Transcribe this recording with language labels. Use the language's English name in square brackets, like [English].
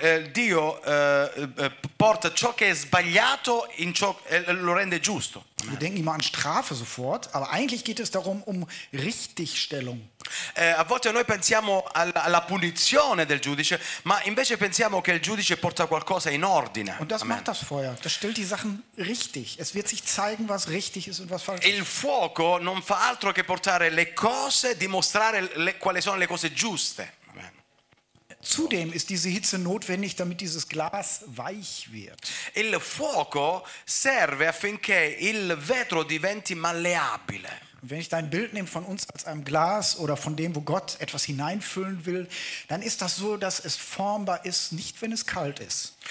[Italian] Dio porta ciò che è sbagliato in ciò lo rende giusto. [German] Wir denken immer an Strafe sofort, aber eigentlich geht es darum um Richtigstellung. [Italian] A volte noi pensiamo alla punizione del giudice, ma invece pensiamo che il giudice porta qualcosa in ordine. [German] Und das macht das Feuer. Das stellt die Sachen richtig. Es wird sich zeigen, was richtig ist und was falsch ist. [Italian] Il fuoco non fa altro che portare le cose, dimostrare quali sono le cose giuste. [German] Zudem ist diese Hitze notwendig, damit dieses Glas weich wird. [Italian] Il fuoco serve affinché il vetro diventi malleabile. [German] Wenn ich dein Bild nehme von uns als einem Glas oder von dem, wo Gott etwas hineinfüllen will, dann ist das so, dass es formbar ist, nicht wenn es kalt ist.